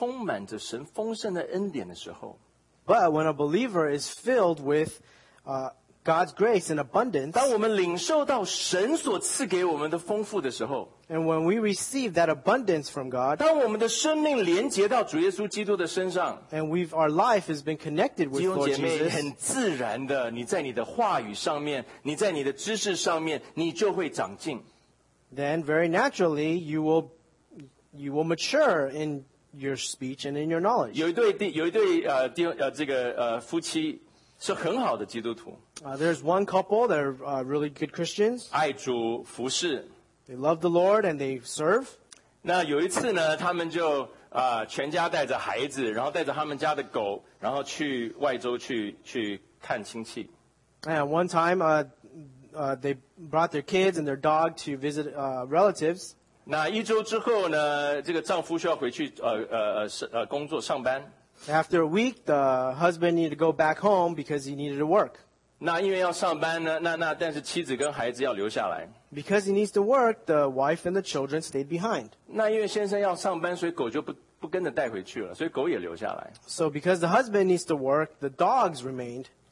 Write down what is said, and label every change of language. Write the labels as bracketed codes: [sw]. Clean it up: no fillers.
[zh] 但是换一个角度来看，换一个角度来说，弟兄姐妹，当一个信徒的生命是充满着神丰盛的恩典的时候， [en] But when a believer is filled with God's grace in abundance, [zh] 当我们领受到神所赐给我们的丰富的时候， [en] And when we receive that abundance from God, [zh] 当我们的生命连接到主耶稣基督的身上， [en] And we've, our life has been connected with Lord Jesus, [zh] 弟兄姐妹很自然的， 你在你的话语上面， 你在你的知识上面， 你就会长进。 [en] Then very naturally, you will mature in your speech and in your knowledge. [zh] 有一对夫妻， 是很好的基督徒。 [en] There's one couple that are really good Christians. [zh] 爱主服事。 [en] They love the Lord and they serve. [zh] 那有一次呢，他们就 全家带着孩子，然后带着他们家的狗，然后去外州去看亲戚。 [en] And one time, they brought their kids and their dog to visit relatives. [zh] 那一周之后呢，这个丈夫需要回去 工作上班。 [en] After a week, the husband needed to go back home because he needed to work. [zh] 那因为要上班呢，那但是妻子跟孩子要留下来。 [en] Because he needs to work, the wife and the children stayed behind. [zh] 那因为先生要上班，所以狗就不跟着带回去了，所以狗也留下来。 [en] So because the husband needs to work, the dogs remained.